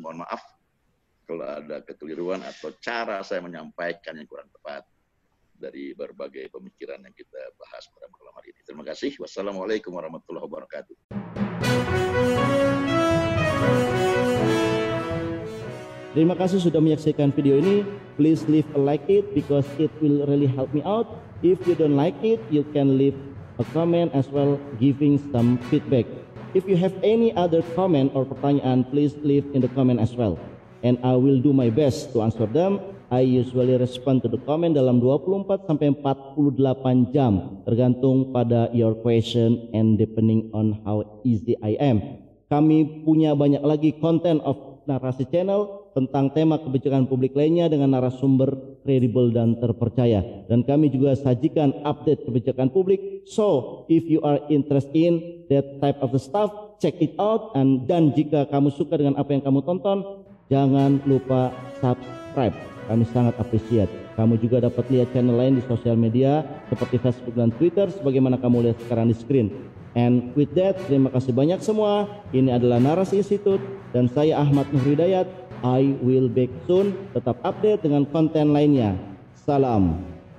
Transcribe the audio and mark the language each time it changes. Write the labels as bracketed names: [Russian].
[Indonesian] Mohon maaf kalau ada kekeliruan atau cara saya menyampaikan yang kurang tepat dari berbagai pemikiran yang kita bahas pada malam hari ini. Terima kasih. Wassalamualaikum warahmatullahi wabarakatuh. Terima kasih sudah menyaksikan video ini. [English] Please leave a like it because it will really help me out. If you don't like it, you can leave a comment as well, giving some feedback. If you have any other comment or pertanyaan, please leave in the comment as well. And I will do my best to answer them. I usually respond to the comment [Indonesian] dalam 24 sampai 48 jam, tergantung pada [English] your question and depending on how easy I am. [Indonesian] Kami punya banyak lagi content of Narasi Channel tentang tema kebijakan publik lainnya dengan narasumber kredibel dan terpercaya. Dan kami juga sajikan update kebijakan publik. [English] So, if you are interested in that type of the stuff, check it out. [Indonesian] Dan jika kamu suka dengan apa yang kamu tonton, jangan lupa subscribe. Kami sangat appreciate. Kamu juga dapat lihat channel lain di sosial media seperti Facebook dan Twitter sebagaimana kamu lihat sekarang di screen. [English] And with that, [Indonesian] terima kasih banyak semua. Ini adalah Narasi Institute dan saya Ahmad Nur Hidayat. [English] I will back soon. [Indonesian] Tetap update dengan konten lainnya. Salam.